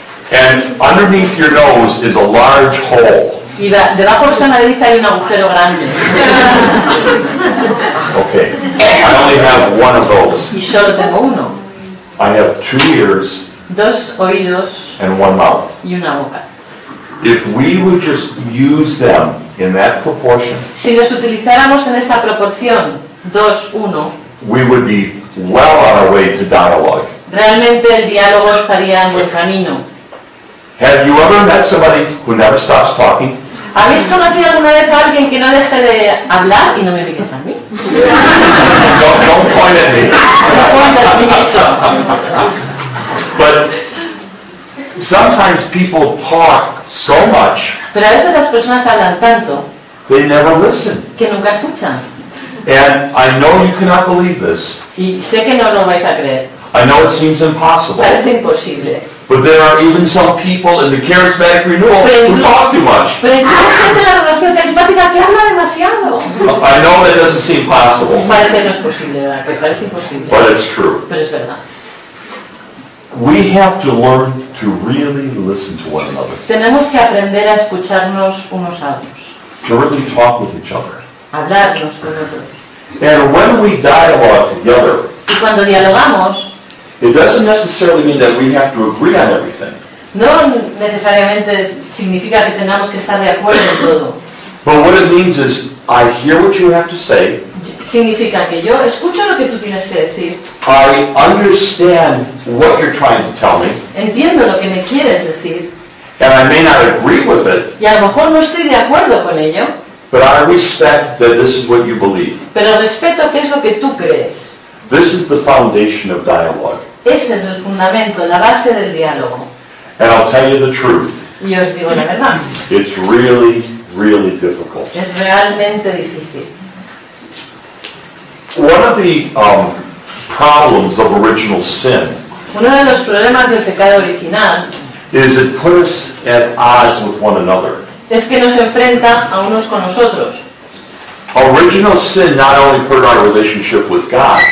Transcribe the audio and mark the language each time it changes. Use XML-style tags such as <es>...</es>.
<en>And underneath your nose is a large hole.</en> <es>Y debajo de esa nariz hay un agujero grande.</es> <en>Okay. I only have one of those.</en> <es>Y solo tengo uno.</es> <en>I have two ears.</en> <es>Dos oídos.</es> <en>And one mouth.</en> <es>Y una boca.</es> <en>If we would just use them. In that proportion,</en> <es>si los utilizáramos en esa proporción, 2-1,</es> <en>we would be well on our way to dialogue.</en> <es>Realmente el diálogo estaría en buen camino.</es> <en>Have you ever met somebody who never stops talking?</en> <es>¿Habéis conocido alguna vez a alguien que no deje de hablar y no me miras a mí?</es> <en>Don't point at me.</en> <es>No pongas mi miso.</es> <en>But sometimes people talk so much.</en> <es>Pero a veces las personas hablan tanto.</es> <en>They never listen.</en> <es>Que nunca escuchan.</es> <en>And I know you cannot believe this.</en> <es>Y sé que no lo vais a creer.</es> <en>I know it seems impossible.</en> <es>Parece imposible.</es> <en>But there are even some people in the charismatic renewal who talk too much.</en> <es>Pero incluso gente en la renovación carismática que habla demasiado.</es> <en>I know that doesn't seem possible.</en> <es>Parece no es posible, ¿verdad? Parece imposible.</es> <en>But it's true.</en> <es>Pero es verdad.</es> <en>We have to learn to really listen to one another.</en> <es>Tenemos que aprender a escucharnos unos a otros.</es> <en>To really talk with each other.</en> <es>Hablarnos con otros.</es> <en>And when we dialogue together,</en> <es>y cuando dialogamos,</es> <en>it doesn't necessarily mean that we have to agree on everything.</en> <es>No necesariamente significa que tengamos que estar de acuerdo en todo.</es> <en>But what it means is, I hear what you have to say.</en> <es>Significa que yo escucho lo que tú tienes que decir.</es> <en>I understand what you're trying to tell me.</en> <es>Entiendo lo que me quieres decir.</es> <en>And I may not agree with it.</en> <es>Y a lo mejor no estoy de acuerdo con ello.</es> <en>But I respect that this is what you believe.</en> <es>Pero respeto que es lo que tú crees.</es> <en>This is the foundation of dialogue.</en> <es>Ese es el fundamento, la base del diálogo.</es> <en>And I'll tell you the truth.</en> <es>Y os digo la verdad.</es> <en>It's really, really difficult.</en> <es>Es realmente difícil.</es> <en>One of the problems of original sin.</en> <es>Uno de los problemas del pecado original.</es> <en>Is it put us at odds with one another?</en> <es>Es que nos enfrenta a unos con los otros.</es> <en>Original sin not only hurt our relationship with God.</en>